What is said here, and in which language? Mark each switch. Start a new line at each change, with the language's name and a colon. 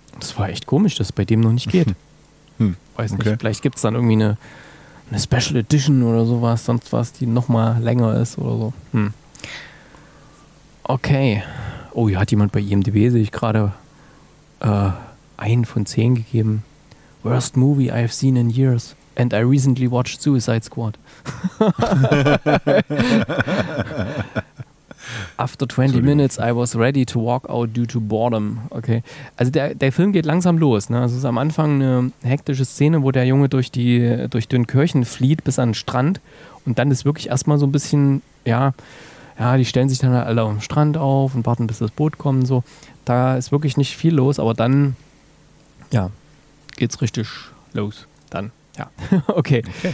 German: Das war echt komisch, dass es bei dem noch nicht geht. Weiß nicht, okay. Vielleicht gibt es dann irgendwie eine Special Edition oder sowas, sonst was, die nochmal länger ist oder so. Okay. Oh, hier hat jemand bei IMDb, sehe ich gerade, 1 von 10 gegeben.
English: Worst movie I've seen in years. And I recently watched Suicide Squad. After 20 minutes I was ready to walk out due to boredom.
German: Okay. Also der Film geht langsam los. Ne? Also es ist am Anfang eine hektische Szene, wo der Junge durch Dünkirchen flieht bis an den Strand. Und dann ist wirklich erstmal so ein bisschen, ja, die stellen sich dann alle am Strand auf und warten, bis das Boot kommt. So. Da ist wirklich nicht viel los, aber dann, ja, geht's richtig los. Dann, ja. Okay.